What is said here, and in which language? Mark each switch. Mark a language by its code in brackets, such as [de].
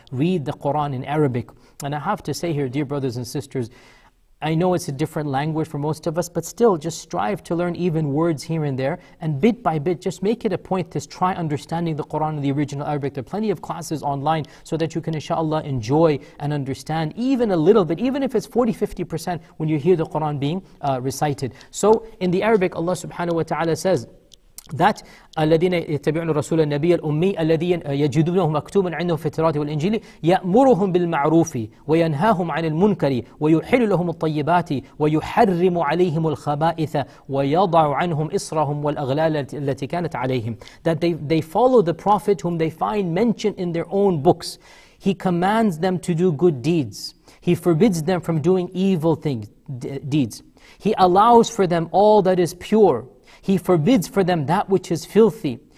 [en] Read the Quran in Arabic. And I have to say here, dear brothers and sisters, I know it's a different language for most of us, but still, just strive to learn even words here and there, and bit by bit, just make it a point to try understanding the Quran in the original Arabic. There are plenty of classes online so that you can, inshallah, enjoy and understand even a little bit, even if it's 40-50% when you hear the Quran being recited. So, in the Arabic, Allah subhanahu wa ta'ala says, [ar] that الذين يتبعون الرسول النبي الأمي الذين يجدونه مكتوبا عندهم في التوراة والإنجيل يأمرهم بالمعروف وينهاهم عن المنكر ويحل لهم الطيبات ويحرم عليهم الخبائث ويضع عنهم إصرهم والأغلال التي كانت عليهم. [en] That they follow the prophet whom they find mentioned in their own books. He commands them to do good deeds. He forbids them from doing evil things, deeds. He allows for them all that is pure. He forbids for them that which is filthy.